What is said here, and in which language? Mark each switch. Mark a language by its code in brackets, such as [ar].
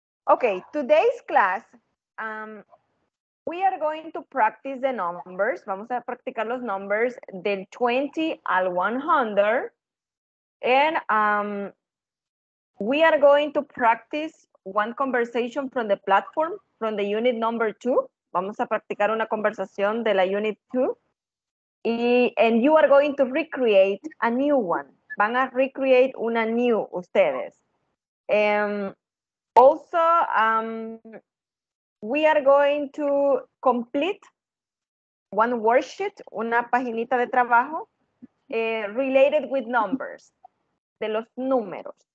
[en] Okay, today's class, we are going to practice the numbers. [es] Vamos a practicar los numbers del 20 al 100. [en] And we are going to practice one conversation from the platform, from the unit number 2. [es] Vamos a practicar una conversación de la unit 2. [en] And you are going to recreate a new one. [es] Van a recreate una new ustedes. [en] Also, we are going to complete one worksheet, [es] una paginita de trabajo, [en] related with numbers, [es] de los números.